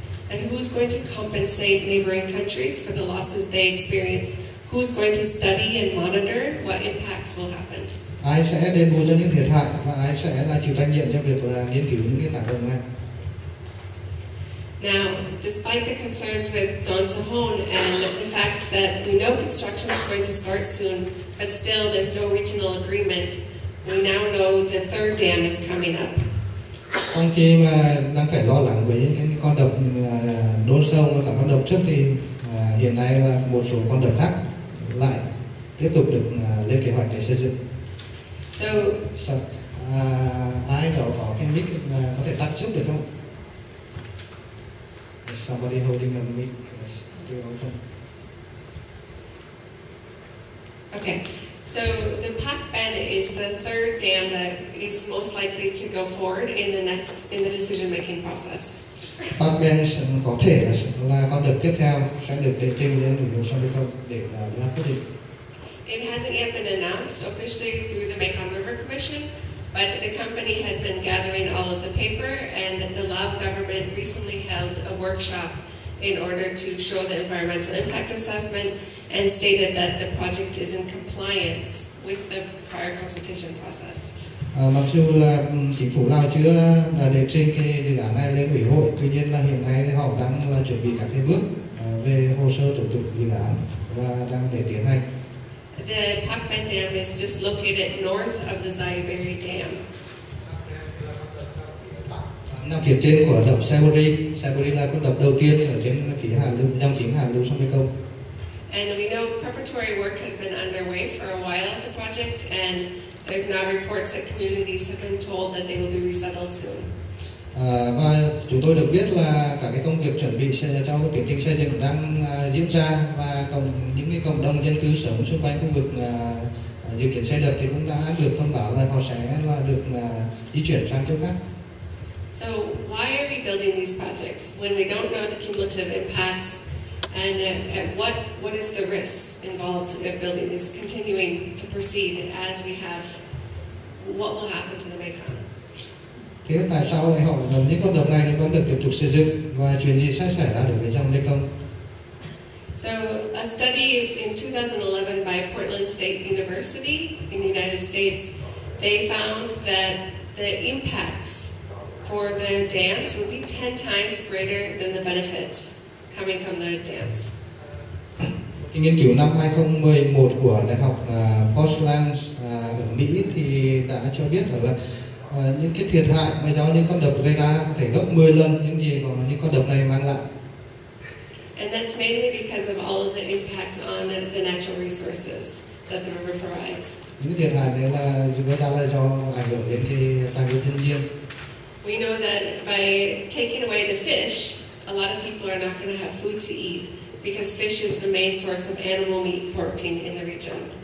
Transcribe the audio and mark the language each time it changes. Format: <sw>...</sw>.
<en>And who's going to compensate neighboring countries for the losses they experience? Who's going to study and monitor what impacts will happen?</en> <vi>Ai sẽ đền bù cho những thiệt hại và ai sẽ là chịu trách nhiệm cho việc là nghiên cứu những cái tác động này?</vi> <en>Now, despite the concerns with Don Sahon and the fact that we know construction is going to start soon, but still there's no regional agreement, we now know the third dam is coming up.</en> <vi>Trong khi mà đang phải lo lắng với những con đập Don Sahon và cả con đập trước thì hiện nay là một số con đập khác lại tiếp tục được lên kế hoạch để xây dựng. So ai đó có cái mic có thể tắt giúp được không?</vi> <en>Is somebody holding a mic? It's still open. Okay, so the Pak Ben is the third dam that is most likely to go forward in the decision making process.</en> <vi>Pak Ben có thể là con đập tiếp theo sẽ được đề trình lên ủy hội sông Mê Công để ra quyết định.</vi> <en>It hasn't yet been announced officially through the Mekong River Commission, but the company has been gathering all of the paper, and the Lao government recently held a workshop in order to show the environmental impact assessment and stated that the project is in compliance with the prior consultation process.</en> <vi>Mặc dù là chính phủ Lào chưa đề trình cái dự án này lên ủy hội, tuy nhiên là hiện nay họ đang là chuẩn bị các cái bước về hồ sơ thủ tục dự án và đang để tiến hành.</vi> <en>The Pak Ben Dam is just located north of the Xayaburi Dam.</en> <vi>Nằm phía trên của đập Xayaburi là con đập đầu tiên ở trên phía hạ lưu, dòng chính hạ lưu sông Mekong.</vi> <en>And we know preparatory work has been underway for a while at the project, and there's now reports that communities have been told that they will be resettled soon.</en> <vi>Và chúng tôi được biết là cả cái công việc chuẩn bị xây cho cái tiến trình xây dựng đang diễn ra, và những cái cộng đồng dân cư sống xung quanh khu vực dự kiến xây đập thì cũng đã được thông báo là họ sẽ là được di chuyển sang chỗ khác.</vi> <en>So why are we building these projects when we don't know the cumulative impacts, and what is the risk involved in building this, continuing to proceed as we have? What will happen to the Mekong?</en> <vi>Thế tại sao lại họ những con đập này thì vẫn được tiếp tục xây dựng, và chuyện gì sẽ xảy ra đối với dòng Mekong?</vi> <en>So a study in 2011 by Portland State University in the United States, they found that the impacts for the dams would be 10 times greater than the benefits coming from the dams.</en> <vi>Nghiên cứu năm 2011 của Đại học Portland ở Mỹ thì đã cho biết là những cái thiệt hại mà do những con đập gây ra có thể gấp 10 lần những gì mà những con đập này mang lại.</vi> <en>And that's mainly because of all of the impacts on the natural resources that the river provides.</en> <vi>Những thiệt hại này là gây ra là do ảnh hưởng đến cái tài nguyên thiên nhiên.</vi> <en>We know that by taking away the fish, a lot of people are not going to have food to eat because fish is the main source of animal meat protein in the region.</en>